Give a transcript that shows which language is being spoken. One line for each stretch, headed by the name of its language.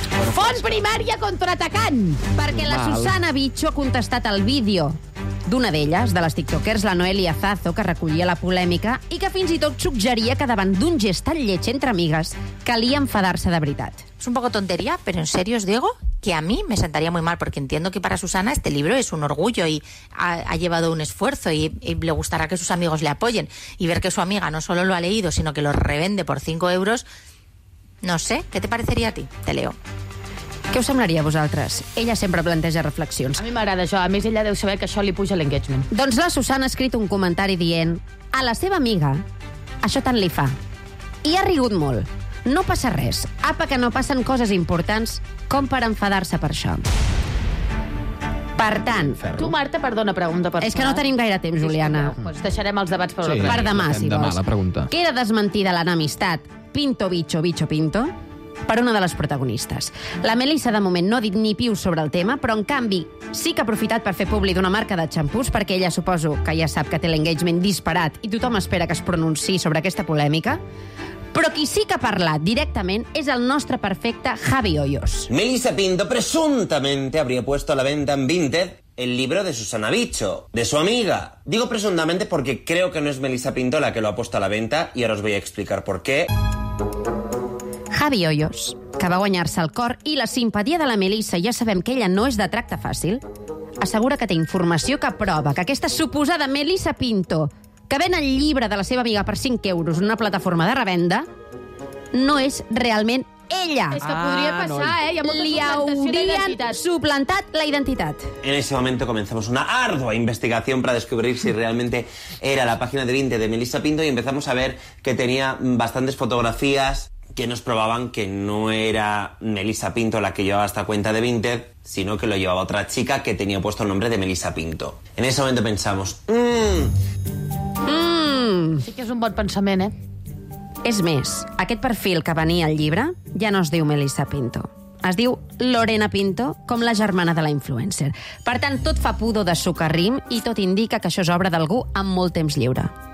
Catalan: Font primària contraatacant! Perquè la Susana Bicho ha contestat el vídeo d'una d'elles, de les tiktokers, la Noelia Zazo, que recollia la polèmica i que fins i tot suggeria que davant d'un gest tan lleig entre amigues calia enfadar-se de veritat.
Spanish: Es un poco tontería, pero en serio os digo que a mí me sentaría muy mal, porque entiendo que para Susana este libro es un orgullo y ha llevado un esfuerzo y le gustará que sus amigos le apoyen. Y ver que su amiga no solo lo ha leído, sino que lo revende por 5 euros, no sé, ¿qué te parecería a ti? Te leo.
Catalan: Què us semblaria a vosaltres? Ella sempre planteja reflexions. A mi m'agrada això, a més ella deu saber que això li puja l'engagement. Doncs la Susana ha escrit un comentari dient: a la seva amiga això tant li fa. I ha rigut molt. No passa res. Apa, que no passen coses importants com per enfadar-se per això. Per tant... Tu, Marta, perdona, pregunta personal. És que no tenim gaire temps, Juliana. Doncs deixarem els debats per, sí, per demà, si demà, vols. La pregunta. Queda desmentida l'enamistat Pinto Bicho, Bicho Pinto, per una de les protagonistes. La Melissa, de moment, no ha dit ni piu sobre el tema, però, en canvi, sí que ha aprofitat per fer públic d'una marca de xampús, perquè ella suposo que ja sap que té l'engagement disparat i tothom espera que es pronunciï sobre aquesta polèmica. Però qui sí que ha parlat directament és el nostre perfecte Javi Hoyos.
Spanish: Melissa Pinto presuntamente habría puesto a la venta en Vinted el libro de Susana Bicho, de su amiga. Digo presuntamente porque creo que no es Melissa Pinto la que lo ha puesto a la venta y ahora os voy a explicar por qué.
Catalan: Javi Hoyos, que va guanyar-se el cor i la simpatia de la Melissa, ja sabem que ella no és de tracte fàcil, assegura que té informació que prova que aquesta suposada Melissa Pinto, que ven el llibre de la seva amiga per 5 euros en una plataforma de revenda, no és realment ella. És que podria passar, no. Hi ha molta suplantat la identitat.
Spanish: En ese momento comenzamos una ardua investigación para descubrir si realmente era la página de 20 de Melissa Pinto y empezamos a ver que tenía bastantes fotografías que nos probaban que no era Melissa Pinto la que llevaba esta cuenta de Vinted, sino que lo llevaba otra chica que tenía puesto el nombre de Melissa Pinto. En ese momento pensamos...
Catalan: Sí que és un bon pensament, eh? És més, aquest perfil que venia al llibre ja no es diu Melissa Pinto. Es diu Lorena Pinto, com la germana de la influencer. Per tant, tot fa pudor de sucarrim i tot indica que això és obra d'algú amb molt temps lliure.